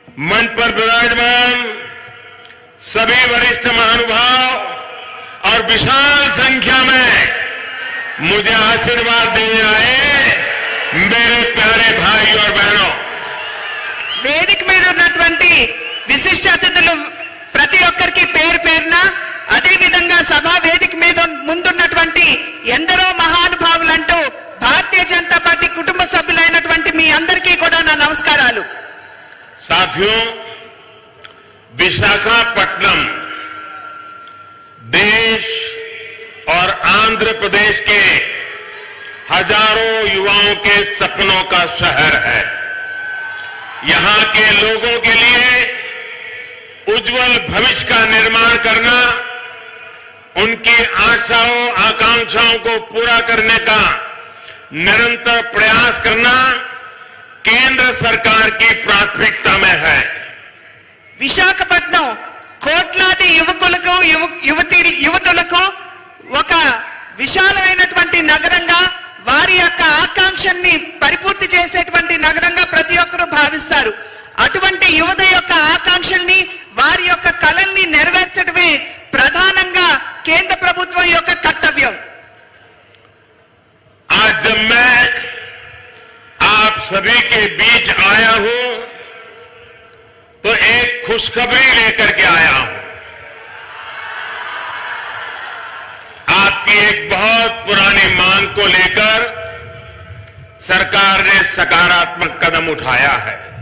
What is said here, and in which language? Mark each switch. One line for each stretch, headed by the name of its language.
Hindi: मंच पर विराजमान सभी वरिष्ठ महानुभाव और विशाल संख्या में मुझे आशीर्वाद देने आए मेरे प्यारे भाई और बहनों।
Telugu: वेदिक में ఉన్నటువంటి విశిష్ట అతిథులు ప్రతి ఒక్కరికి పేరు పేరున, అదే విధంగా సభా వేదిక మీద ముందున్నటువంటి ఎందరో మహానుభావులంటూ భారతీయ జనతా పార్టీ కుటుంబ సభ్యులైనటువంటి మీ అందరికీ కూడా నా నమస్కారాలు. సాధ్యం
Hindi: విశాఖపట్నం देश और आंध्र प्रदेश के हजारों युवाओं के सपनों का शहर है। यहां के लोगों के लिए उज्जवल भविष्य का निर्माण करना, उनकी आशाओं आकांक्षाओं को पूरा करने का निरंतर प्रयास करना केंद्र सरकार की प्राथमिकता में है।
Telugu: विशाखपट्टनम కోట్లాది యువకులకు యువతులకు ఒక విశాలమైనటువంటి నగరంగా, వారి యొక్క ఆకాంక్షని పరిపూర్తి చేసేటువంటి నగరంగా ప్రతి ఒక్కరూ భావిస్తారు. అటువంటి యువత యొక్క ఆకాంక్షల్ని, వారి యొక్క కలల్ని నెరవేర్చడమే ప్రధానంగా కేంద్ర ప్రభుత్వం యొక్క కర్తవ్యం.
Hindi: आज जब मैं आप सभी के बीच आया हूं तो एक खुशखबरी लेकर के आया हूं. आपकी एक बहुत पुरानी मांग को लेकर सरकार ने सकारात्मक कदम उठाया है.